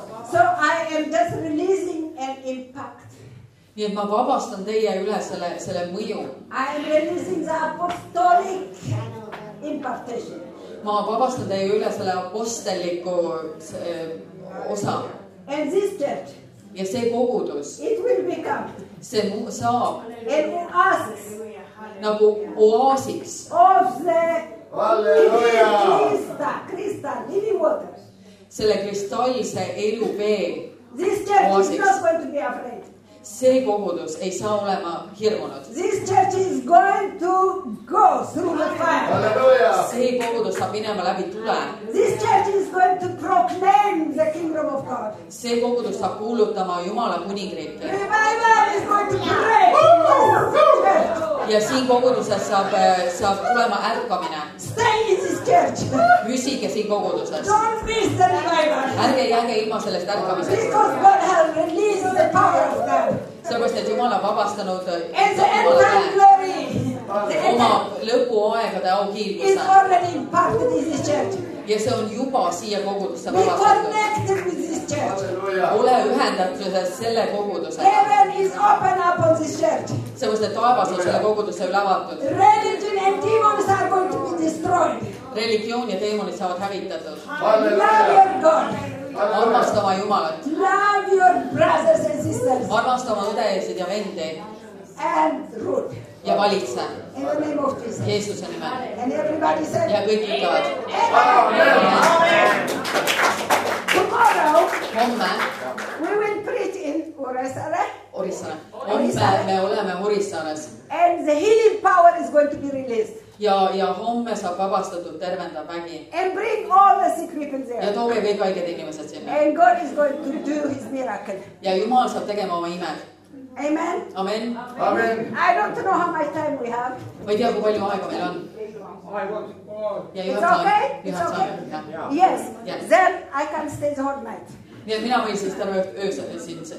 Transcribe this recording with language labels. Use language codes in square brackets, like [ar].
[en] So I am just releasing an impact. [et] Nii et ma vabastan teie üle selle mõju. [en] I am releasing the apostolic impartation. [et] Ma vabastan teie üle selle apostelliku osa. [en] And this church. [et] Ja see kogudus. [en] It will become. [et] See saab. [en] And it asks. [et] Nagu oasiks. [en] Of the. [et] Halleluja. [en] Crystal, living water. [et] Selle kristallise elu vee. [en] This church is not going to be afraid. [et] see kogudus ei saa olema hirmunud. [en] This church is going to go through the fire. Hallelujah. [et] See kogudus saab minema läbi tule. [en] This church is going to proclaim the kingdom of God. [et] See kogudus saab kuulutama Jumala kuningriiki. [en] Revival is going to break. [et] Ja siin koguduses saab tulema ärkamine. [en] Stay in this church. [et] Püsige siin koguduses. [en] Don't miss the revival. [et] Ärge jääge ilma sellest ärkamisest. [en] Because God has released the power of God. [et] Sellepärast, et Jumala vabastanud. [en] And the end time glory. [et] Oma lõpuaegade aukiilguse. [en] It's already imparted in this church. [et] Ja see on juba siia kogudusse vabastatud. [en] Be connected with this church. [et] Ole ühendatuses selle koguduse. [en] Heaven is open up on this church. [et] See on see taevas on selle koguduse üle avatud. [en] Religion and demons are going to be destroyed. [et] Religioon ja demonid saavad hävitatud. [en] Love your God. [et] Armasta oma Jumalat. [en] Love your brothers and sisters. [et] Armasta oma õdesid ja vendeid. [en] And root. [et] Ja valitse. [en] In the name of Jesus. [et] Jeesuse nime. [en] And everybody said. [et] Ja kõik ütlevad. [en] Amen. Tomorrow. [et] Homme. [en] We will preach in Orissaare. [et] Orissaare. Homme me oleme Orissaares. [en] And the healing power is going to be released. [et] Ja homme saab vabastatud tervenda vägi. [en] And bring all the sick people there. [et] Ja toome kõik haiged inimesed sinna. [en] And God is going to do his miracle. [et] Ja Jumal saab tegema oma imed. [en] Amen. Amen. Amen. I don't know how much time we have. [et] Ma ei tea, kui palju aega meil on. [en] It's okay? It's okay? Yes. Then I can stay the whole night. [et] Nii, mina võin siis tõrve öösel siin.